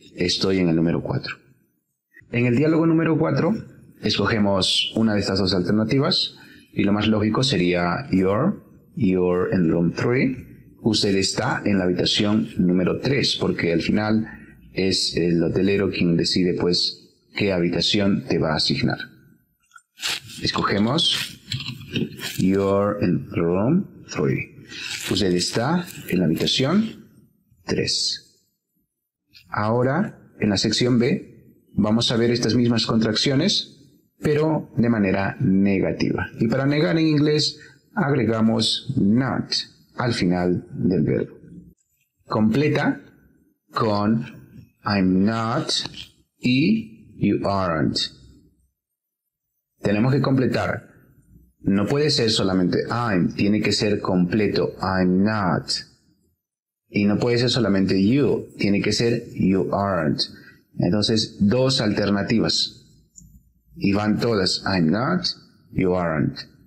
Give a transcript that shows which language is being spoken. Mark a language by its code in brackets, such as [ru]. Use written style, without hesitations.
[es] Estoy en el número 4. En el diálogo número 4, escogemos una de estas dos alternativas. Y lo más lógico sería [en] you're in room 3. [es] Usted está en la habitación número 3. Porque al final es el hotelero quien decide pues qué habitación te va a asignar. Escogemos [en] you're in room 3. [es] Usted está en la habitación 3. Ahora, en la sección B, vamos a ver estas mismas contracciones, pero de manera negativa. Y para negar en inglés, agregamos not al final del verbo. Completa con [en] I'm not [es] y [en] you aren't. [es] Tenemos que completar. No puede ser solamente [en] I'm, [es] tiene que ser completo, [en] I'm not. [es] Y no puede ser solamente you, tiene que ser [en] you aren't. [es] Entonces, dos alternativas. Y van todas, [en] I'm not, you aren't.